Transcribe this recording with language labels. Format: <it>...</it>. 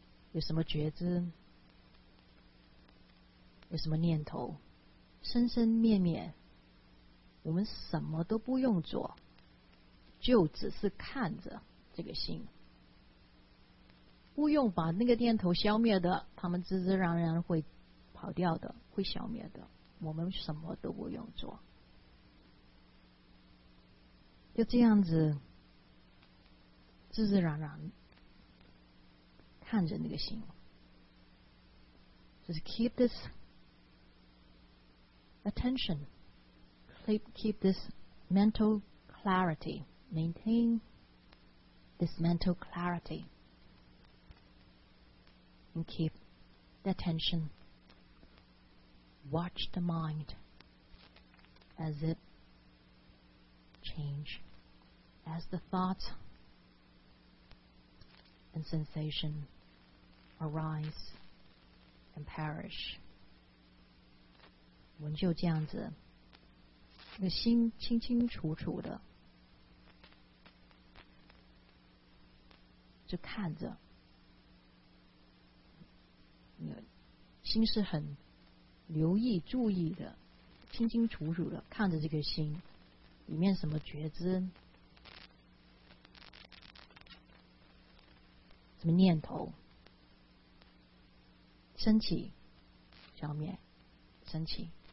<zh>有什么觉知，有什么念头，生生灭灭，我们什么都不用做，就只是看着这个心，不用把那个念头消灭的，他们自自然然会跑掉的，会消灭的，我们什么都不用做。就这样子自自然然看着那个心，就是</zh> <en>keep this attention, keep this mental clarity, maintain this mental clarity, and keep the attention. Watch the mind as it change, as the thoughts and sensation arise and perish.</en> <zh>我们就这样子，那个心清清楚楚的，就看着，那个心是很留意、注意的，清清楚楚的看着这个心，里面什么觉知，什么念头，升起、消灭，升起。</zh>